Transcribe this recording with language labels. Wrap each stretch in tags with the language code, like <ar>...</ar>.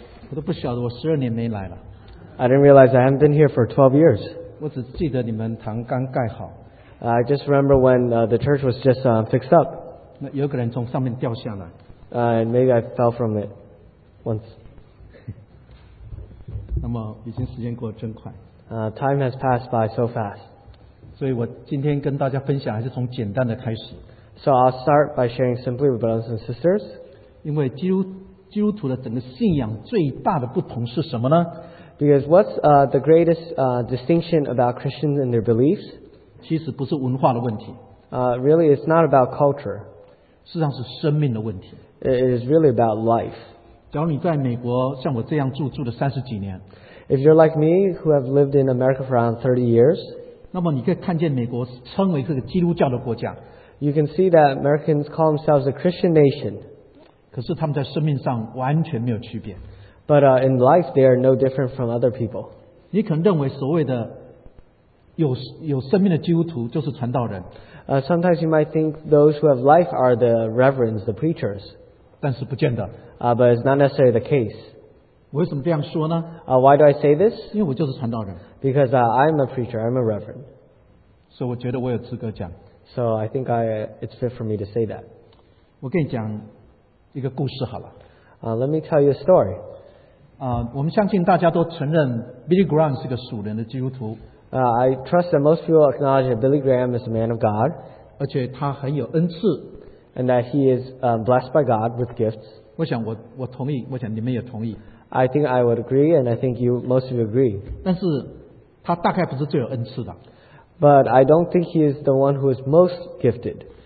<zh>我都不晓得我12年没来了。</zh> <en>I didn't realize I hadn't been here for 12 years.</en> <zh>我只记得你们堂刚盖好。</zh> <en>I just remember when the church was just fixed up.</en> <zh>有个人从上面掉下来。</zh> <en>Maybe I fell from it once.</en> <zh>那么已经时间过得真快。</zh> <en>Time has passed by so fast.</en> <zh>所以我今天跟大家分享还是从简单的开始。</zh> <en>So I'll start by sharing simply with brothers and sisters.</en> <zh>因为基督徒的整个信仰最大的不同是什么呢？</zh> <en>Because what's the greatest distinction about Christians and their beliefs?</en> <zh>其实不是文化的问题。</zh> <en>Really, it's not about culture.</en> <zh>事实上是生命的问题。</zh> <en>It is really about life.</en> <zh>假如你在美国像我这样住了30几年。</zh> <en>If you're like me, who have lived in America for around 30 years,</en> <zh>那么你可以看见美国称为这个基督教的国家。</zh> <en>You can see that Americans call themselves a Christian nation.</en> <zh>可是他们在生命上完全没有区别。</zh> <en>But in life, they are no different from other people.</en> <zh>你可能认为所谓的有生命的基督徒就是传道人。</zh> <en>Sometimes you might think those who have life are the reverends, the preachers.</en> <zh>但是不见得。</zh> <en>But it's not necessarily the case.</en> <zh>为什么这样说呢？</zh> <en>Why do I say this?</en> <zh>因为我就是传道人。</zh> <en>Because I'm a preacher, I'm a reverend.</en> <zh>所以我觉得我有资格讲。</zh> <en>So I think it's fit for me to say that.</en> <zh>我跟你讲一个故事好了。</zh> <en>Let me tell you a story.</en> <zh>我们相信大家都承认 Billy Graham 是个属灵的基督徒。</zh> <en>I trust that most people acknowledge that Billy Graham is a man of God.</en> <zh>而且他很有恩赐。</zh> <en>And that he is blessed by God with gifts.</en> <zh>我想我同意，我想你们也同意。</zh> <en>I think I would agree, and I think most of you agree.</en> <zh>但是他大概不是最有恩赐的。</zh> <en>But I don't think he is the one who is most gifted.</en>